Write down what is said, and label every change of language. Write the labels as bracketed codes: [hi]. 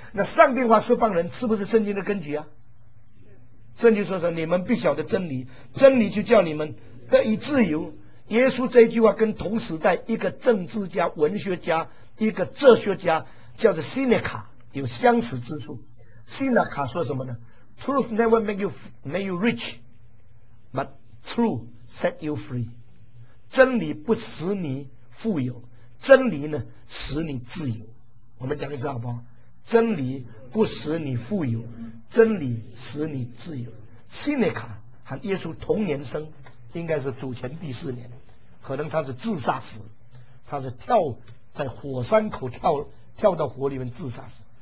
[zh] 那上帝话释放人是不是圣经的根据啊？圣经说说，你们必晓得真理，真理就叫你们得以自由。耶稣这一句话跟同时代一个政治家、文学家、一个哲学家叫做西内卡有相似之处。西内卡说什么呢？ [en] Truth never make you rich, but truth set you free. [zh] 真理不使你富有，真理呢使你自由。我们讲一次好不好？真理不使你富有，真理使你自由。西内卡和耶稣同年生，应该是主前第四年，可能他是自杀死，他是跳在火山口跳到火里面自杀死。